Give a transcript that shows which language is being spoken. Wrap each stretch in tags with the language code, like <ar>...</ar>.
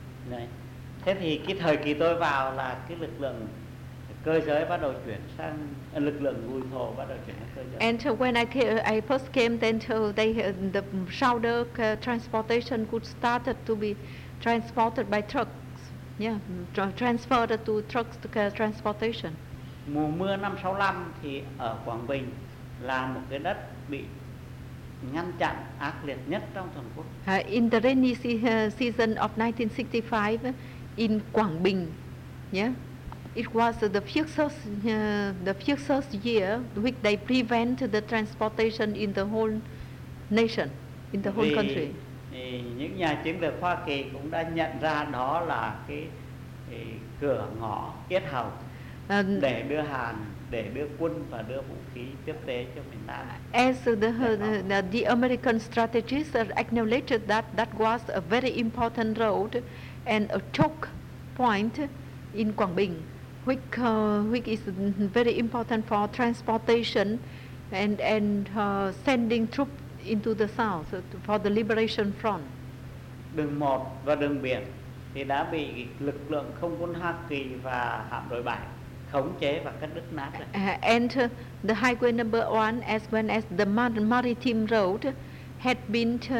<vi>Này, thế thì cái thời kỳ tôi vào là cái lực lượng cơ giới bắt đầu chuyển sang lực lượng ngùi thổ bắt đầu chuyển.</vi> <en>And when I first came, then the shoulder transportation could start to be transported by trucks. Transferred to trucks to transportation.</en> <vi>Mùa mưa năm 65 thì ở Quảng Bình là một cái đất bị ngăn chặn ác liệt nhất trong toàn quốc.</vi> <en>In the rainy season of 1965 in Quảng Bình, it was the fiercest year which they prevent the transportation in the whole nation, in the whole country.</en> <vi>Những nhà chiến lược Hoa Kỳ cũng đã nhận ra đó là cái cửa ngõ yết hầu để đưa hàng, để đưa quân và đưa vũ khí tiếp tế cho miền Nam.</vi> <en>As the American strategists acknowledged that was a very important road and a choke point in Quảng Bình. Which is very important for transportation and sending troops into the south for the liberation front.</en> <vi>Đường một và đường biển thì đã bị lực lượng không quân Hoa Kỳ và hạm đội 7 khống chế và cắt đứt nát rồi.</vi> <en>And the highway number one, as well as the maritime road, had been</en>